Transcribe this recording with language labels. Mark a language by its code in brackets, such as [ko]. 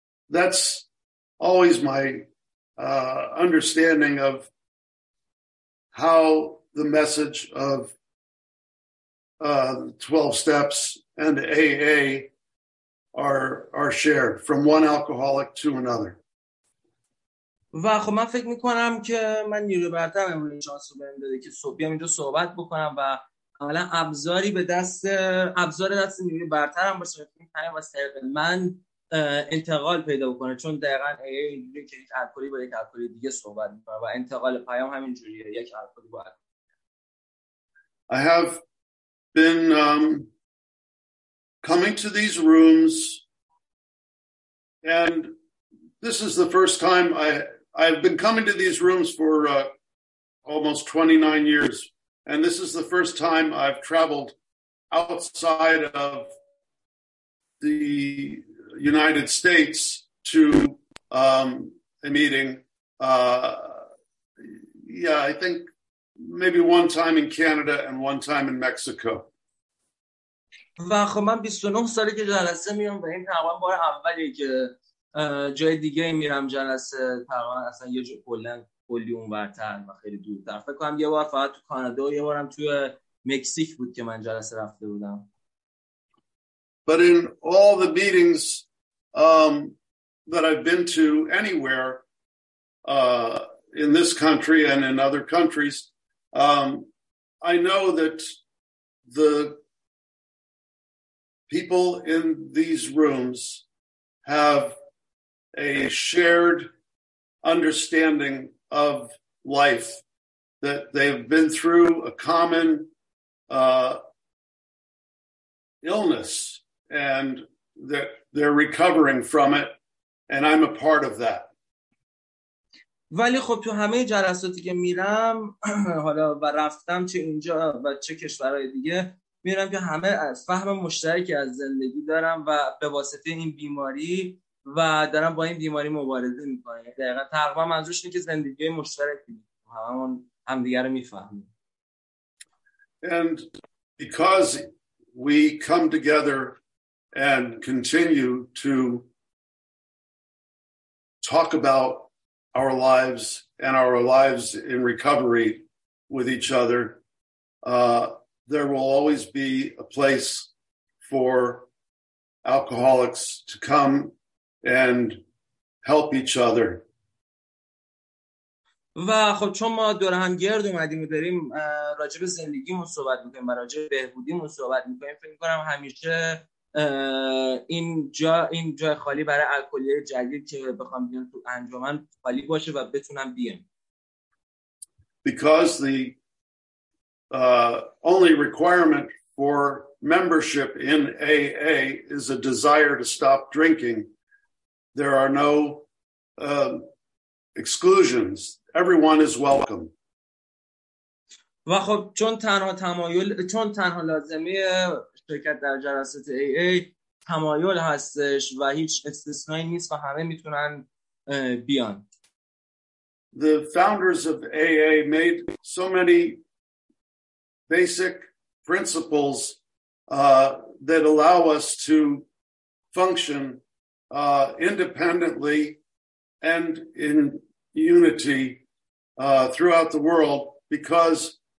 [en] That's always my understanding of how the message of 12 steps and AA are shared from one alcoholic to another. [fa] و خب من فکر میکنم که من نیروی برتر امروز این شانس رو بهم داده که صبح بیام اینجا صحبت بکنم و عملا ابزار دست نیروی برترم باشه که این تایم واسه من انتقال پیدا بکنه، چون دقیقاً اینجوریه که یک الکلی با یک الکلی دیگه صحبت میکنه و انتقال پیام همینجوریه، یک الکلی با الکلی. [en] I have been coming to these rooms, and this is the first time I've been coming to these rooms for almost 29 years, and this is the first time I've traveled outside of the United States to a meeting. I think maybe one time in Canada and one time in Mexico. [fa] و خب من 29 ساله که جلسه میام و این تقریبا بار اولیه که جای دیگه میرم جلسه، تقریبا اصلا یه جا کلی اونورتر و خیلی دورتر. فکر کنم یه بار فقط تو کانادا و یه بارم توی مکزیک بود که من جلسه رفته بودم. [en] But in all the meetings that I've been to anywhere in this country and in other countries, I know that the people in these rooms have a shared understanding of life, that they've been through a common illness and they're recovering from it, and I'm a part of that. [fa] ولی خب تو همه جلساتی که میرم حالا و رفتم چه اینجا و چه کشورهای دیگه، میرم که همه فهم مشترکی از زندگی دارم و به واسطه این بیماری و دارم با این بیماری مبارزه میکنم. دقیقا تقریبا منظورش اینه که زندگی مشترکی هممون همدیگه رو میفهمیم. [en] And because we come together and continue to talk about our lives and our lives in recovery with each other, there will always be a place for alcoholics to come and help each other. [fa] و خب چون ما دور هم گرد اومدیم و داریم راجع به زندگیمون صحبت میکنیم و راجع به بهبودیمون صحبت میکنیم، فکر میکنم همیشه این جای خالی برای الکلی جدید که بخوام بیان تو انجمن خالی باشه و بتونم بیان. [en] Because the only requirement for membership in AA is a desire to stop drinking. There are no exclusions. Everyone is welcome. [fa] و خب چون تنها لازمه شرکت در جلسات AA تمایل هستش و هیچ استثنایی نیست و همه میتونن بیان. [en] The founders of AA made so many basic principles that allow us to function independently and in unity throughout the world, because